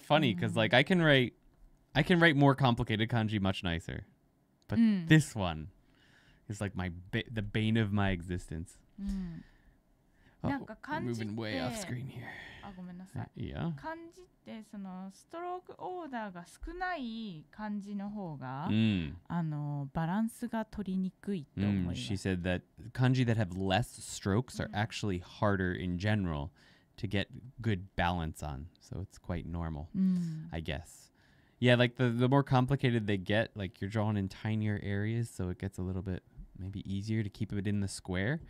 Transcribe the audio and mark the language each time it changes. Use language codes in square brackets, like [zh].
[en] funny because like I can write more complicated kanji much nicer, but this one is like the bane of my existence. Oh, we're moving way off screen here. Yeah. [ja] Kanji ってそのストロークオーダーが少ない漢字の方が、あのバランスが取りにくいと思います。 [en] She said that kanji that have less strokes are actually harder in general to get good balance on. So it's quite normal, I guess. Yeah, like the more complicated they get, like you're drawing in tinier areas, so it gets a little bit maybe easier to keep it in the square.